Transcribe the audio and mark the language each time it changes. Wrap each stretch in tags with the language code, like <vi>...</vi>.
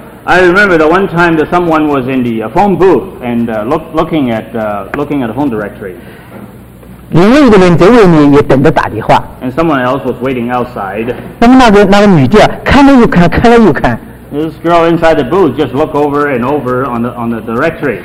<en>I remember the one time that someone was in the phone booth and looking at the phone directory.</en> <zh>另外一个人在外面也等着打电话。</zh> <en>And someone else was waiting outside.</en> <zh>那么那个女的看了又看，看了又看。</zh> <en>This girl inside the booth just look over and over on the directory.</en>